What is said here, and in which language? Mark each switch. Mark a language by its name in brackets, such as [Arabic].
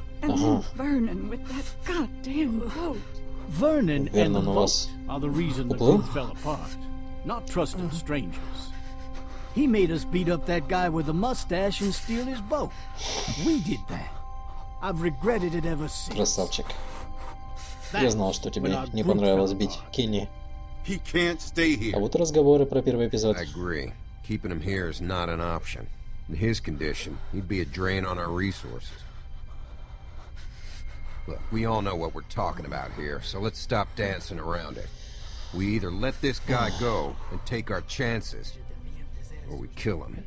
[English] And then Vernon with that goddamn boat. Vernon and the boat are the reason the group fell apart. Not trusting strangers. He made us beat up that guy with a mustache and steal his boat. We did that. I've regretted it ever since. [Russian] Красавчик. Я знал, что тебе не понравилось бить Кенни. [English] He can't stay here. [Russian] А вот разговоры про первый эпизод. [English] I agree. Keeping him here is not an option. In his condition, he'd be a drain on our resources. Look, we all know what we're talking about here, so let's stop dancing around it. We either let this guy go and take our chances, or we kill him.